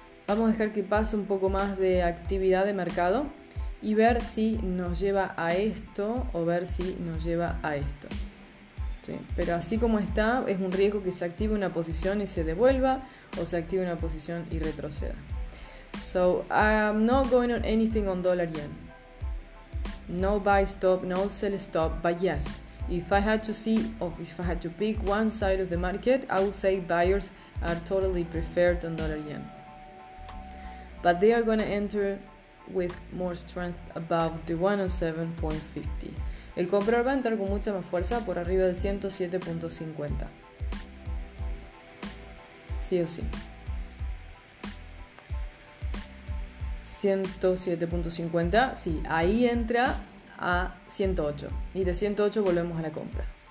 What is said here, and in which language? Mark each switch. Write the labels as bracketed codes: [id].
[es] Vamos a dejar que pase un poco más de actividad de mercado y ver si nos lleva a esto o ver si nos lleva a esto. Sí. Pero así como está, es un riesgo que se active una posición y se devuelva o se active una posición y retroceda. [en] So, I'm not going on anything on dollar yen. No buy stop, no sell stop, but yes, if I had to see or if I had to pick one side of the market, I would say buyers are totally preferred on dollar yen. But they are going to enter with more strength above the 107.50. [es] El comprador va a entrar con mucha más fuerza por arriba del 107.50. Sí o sí. 107.50, sí, ahí entra a 108 y de 108 volvemos a la compra.